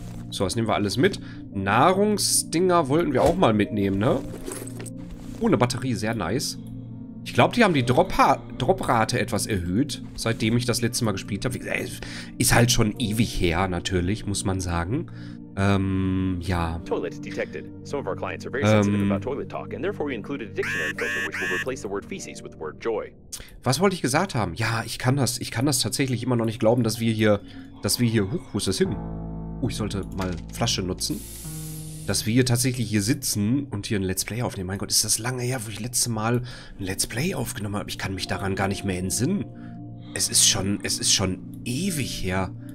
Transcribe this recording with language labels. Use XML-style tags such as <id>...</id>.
<de>So, das nehmen wir alles mit. Nahrungsdinger wollten wir auch mal mitnehmen, ne? Oh, eine Batterie. Sehr nice. Ich glaube, die haben die Droprate etwas erhöht, seitdem ich das letzte Mal gespielt habe. Ist halt schon ewig her, natürlich, muss man sagen. Ja.</de> <en>Toilet detected. Some of our clients are very sensitive about toilet talk, and therefore we included a dictionary filter, which will replace the word feces with the word joy.</en> <de>Was wollte ich gesagt haben? Ja, ich kann das tatsächlich immer noch nicht glauben, dass wir hier. Huch, wo ist das hin? Oh, ich sollte mal Flasche nutzen. Dass wir hier tatsächlich hier sitzen und hier ein Let's Play aufnehmen. Mein Gott, ist das lange her, wo ich letzte Mal ein Let's Play aufgenommen habe. Ich kann mich daran gar nicht mehr entsinnen. Es ist schon ewig her.</de>